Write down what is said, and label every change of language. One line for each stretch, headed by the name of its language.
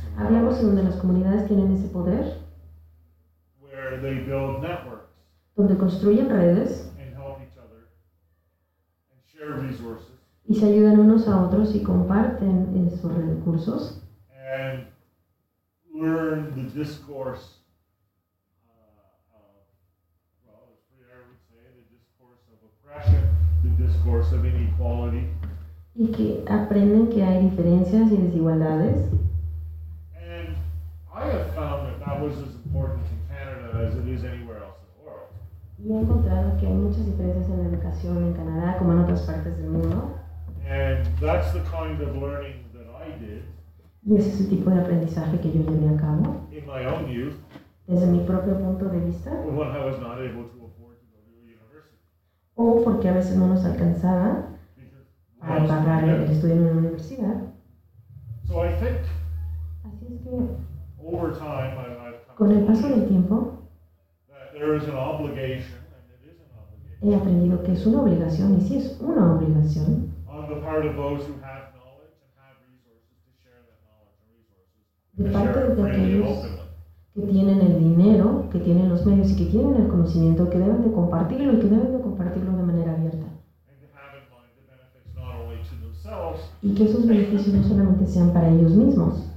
Spanish: Hablamos en donde las comunidades tienen ese poder.
English: They build networks,
Spanish: donde construyen redes,
English: and help each other, and share resources,
Spanish: y se ayudan unos a otros y comparten esos recursos,
English: and learn the discourse as Freire would say, the discourse of oppression, the discourse of inequality,
Spanish: y que aprenden que hay diferencias y desigualdades.
English: And I have found that that was as important as it is anywhere else in the world.
Spanish: Y he encontrado que hay muchas diferencias en la educación en Canadá como en otras partes del mundo.
English: And that's the kind of learning that I did.
Spanish: Y ese es el tipo de aprendizaje que yo llevé a cabo.
English: In my own youth.
Spanish: Desde mi propio punto de vista.
English: When I was not able to afford to go to the university.
Spanish: O porque a veces no nos alcanzaba a pagar el estudio en una universidad.
English: So I think.
Spanish: Así es que.
English: Over time, I've come.
Spanish: Con el paso del tiempo.
English: There is an obligation, and it is an obligation.
Spanish: He aprendido que es una obligación, y sí es una obligación.
English: On the part of those who have knowledge and have resources to share that knowledge and resources.
Spanish: De parte de aquellos que tienen el dinero, que tienen los medios y que tienen el conocimiento, que deben de compartirlo y que deben de compartirlo de manera abierta.
English: And to have in mind the benefits not only to themselves.
Spanish: Y que esos beneficios no solamente sean para ellos mismos,